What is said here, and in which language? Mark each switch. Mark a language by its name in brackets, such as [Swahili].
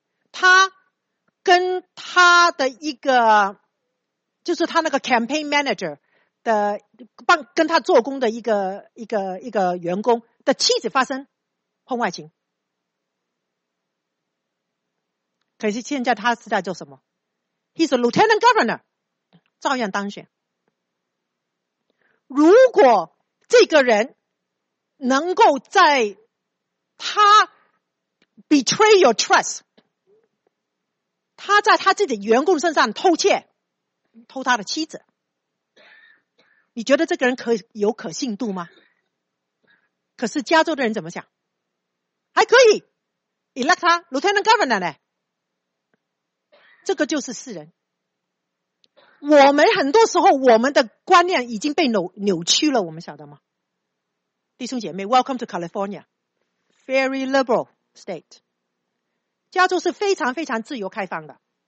[Chinese] 他跟他的一个，就是他那个 campaign manager 的帮跟他做工的一个员工的妻子发生婚外情。可是现在他是在做什么？ [English] He's a lieutenant governor， [Chinese] 照样当选。如果这个人能够在他 [English] betray your trust， [Chinese] 他在他自己员工身上偷窃，偷他的妻子，你觉得这个人可有可信度吗？可是加州的人怎么想？还可以 elect 他 lieutenant governor 呢？这个就是世人，我们很多时候我们的观念已经被扭曲了，我们晓得吗？弟兄姐妹， [English] welcome to California， very liberal state， [Chinese] 加州是非常非常自由开放的。